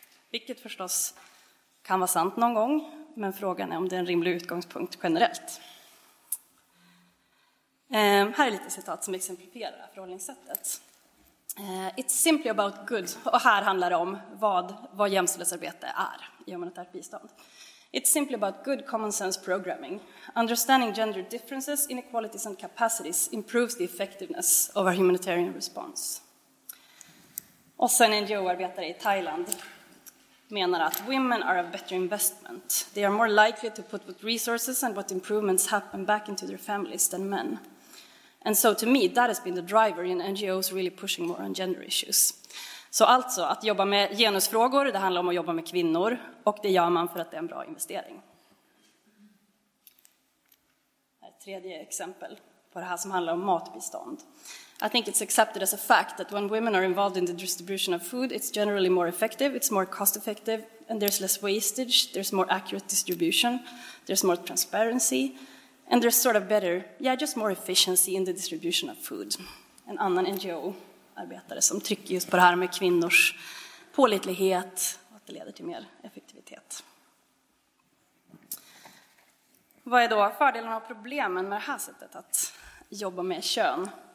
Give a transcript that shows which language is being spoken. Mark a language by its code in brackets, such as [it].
[sv] Vilket förstås kan vara sant någon gång, men frågan är om det är en rimlig utgångspunkt generellt. Här är lite citat som exemplifierar förhållningssättet. [en] It's simply about good, [sv] och här handlar det om vad jämställdhetsarbete är i humanitärt bistånd. [en] It's simply about good common sense programming. Understanding gender differences, inequalities and capacities improves the effectiveness of our humanitarian response. [sv] Och sen en NGO-arbetare i Thailand menar att [en] women are a better investment. They are more likely to put what resources and what improvements happen back into their families than men. And so to me, that has been the driver in NGOs really pushing more on gender issues. [sv] Så alltså, att jobba med genusfrågor, det handlar om att jobba med kvinnor. Och det gör man för att det är en bra investering. Ett tredje exempel på det här som handlar om matbistånd. [en] I think it's accepted as a fact that when women are involved in the distribution of food, it's generally more effective, it's more cost effective, and there's less wastage, there's more accurate distribution, there's more transparency, and there's sort of better, yeah, just more efficiency in the distribution of food. [sv] En annan NGO-arbetare som trycker just på det här med kvinnors pålitlighet och att det leder till mer effektivitet. Vad är då fördelarna och problemen med det här sättet att jobba med kön?